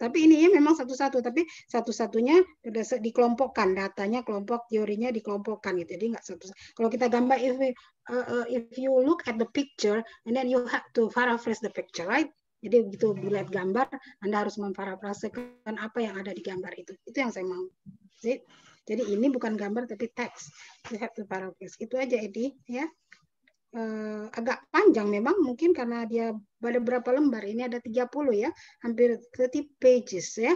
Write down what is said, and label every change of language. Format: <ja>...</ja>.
<id>Tapi ini ya memang satu-satu, tapi satu-satunya dikelompokkan, datanya kelompok, teorinya dikelompokkan gitu. Jadi enggak satu.</id> <en>Kalau kita gambar if you look at the picture and then you have to paraphrase the picture, right?</en> <id>Jadi begitu dilihat gambar, Anda harus memparafrasekan apa yang ada di gambar itu. Itu yang saya mau. Jadi ini bukan gambar tapi teks. You have to paraphrase. Itu aja, Edi, ya. Agak panjang memang, mungkin karena dia ada berapa lembar. Ini ada 30 ya, hampir 30 pages ya.</id>